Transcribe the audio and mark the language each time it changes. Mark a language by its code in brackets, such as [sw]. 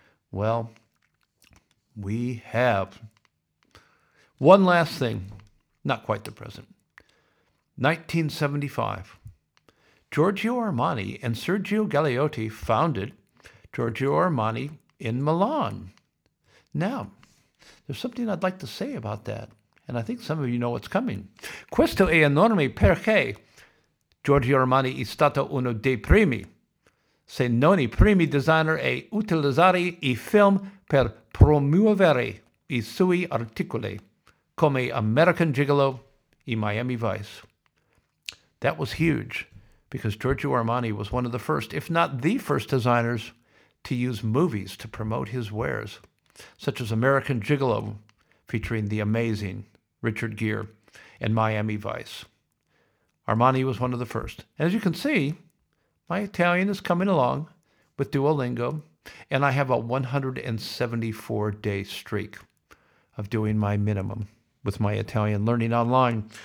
[en] Well, we have. One last thing, not quite the present. 1975, Giorgio Armani and Sergio Galeotti founded Giorgio Armani in Milan. Now, there's something I'd like to say about that, and I think some of you know what's coming. [it] Questo è enorme perché Giorgio Armani è stato uno dei primi, se non i primi designer a utilizzare i film per promuovere i suoi articoli, come American Gigolo e Miami Vice. [en] That was huge, because Giorgio Armani was one of the first, if not the first designers, to use movies to promote his wares, such as American Gigolo, featuring the amazing Richard Gere, and Miami Vice. Armani was one of the first. As you can see, my Italian is coming along with Duolingo, and I have a 174-day streak of doing my minimum with my Italian learning online.